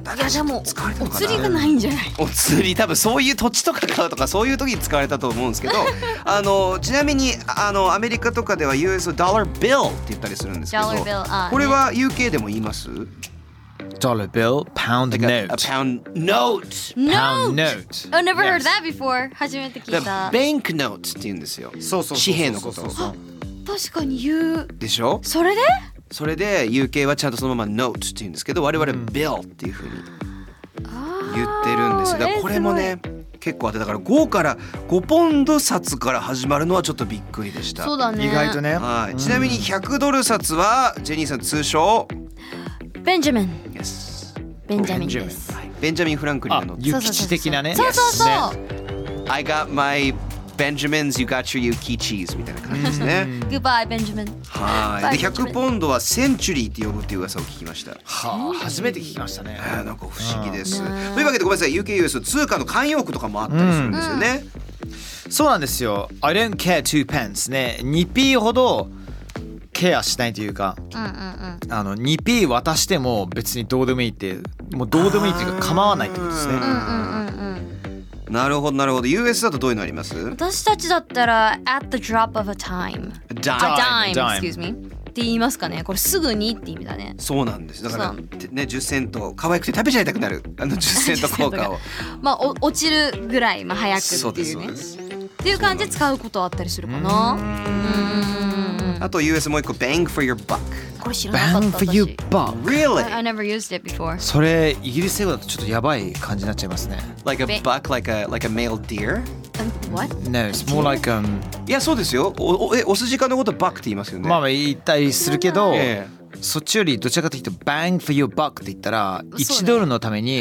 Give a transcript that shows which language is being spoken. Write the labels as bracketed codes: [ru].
[ja] 確かに使われたのかな。お釣りがないんじゃない？お釣り、多分そういう土地とか買うとかそういう時に使われたと思うんですけど、あのちなみにあのアメリカとかでは US dollar bill って言ったりするんですけど、 [en] dollar bill、 [ja] これは UK でも言います？ [en] Dollar bill, pound like note. A pound note. Pound note. I've never heard that before. [ja] 初めて聞いた。 The bank note って言うんですよ。そうそうそう。紙幣のこと。確かに言う。でしょ？それで？それで UK はちゃんとそのまま Note って言うんですけど、我々 Bill っていう風に言ってるんですが、これもね、結構あって、だから5から5ポンド札から始まるのはちょっとびっくりでした。そうだね、意外とね、はい、ちなみに100ドル札はジェニーさん通称ベンジャミン、 [en] yes、 [ja] ベンジャミンです。ベンジャミン・フランクリンの諭吉的なね。そうそうそう、yes、 [en] ね、I got my Benjamins, you got your 諭吉 cheese [ja] みたいな感じですね。 [en] Goodbye, Benjamin。 [ja] はい、で100ポンドはセンチュリーって呼ぶっていう噂を聞きました。はあ、初めて聞きましたね。なんか不思議です、うん、というわけでごめんなさい、 UK US 通貨の慣用句とかもあったりするんですよね、うんうん、そうなんですよ。 [en] I don't care two pence ね、 2p [ja] ほどケアしないというか、うんうんうん、 2p 渡しても別にどうでもいいって、もうどうでもいいっていうか構わないってことですね。うんうんうんうん、なるほどなるほど。 US だとどういうのあります？私たちだったら [en] at the drop of a time、 a dime [ja] って言いますかね。これすぐにって意味だね。そうなんです。だから、ね、10セント可愛くて食べちゃいたくなる、あの10セント効果をまあ落ちるぐらい、まあ、早くっていうね、そうですそうです、っていう感じで使うことあったりするかな。あと US もう一個 bang for your buck。これ知らなかった。 [en] bang for your buck really? I never used it before。 [ja] それイギリス英語だとちょっとやばい感じになっちゃいますね。 [en] like a buck like a male deer、 what? No, it's more like [ja] いやそうですよ、 おすじかのこと buck って言いますよね。まあまあ言ったりするけど、そっちよりどちらかというと bang for your buck って言ったら1ドルのために、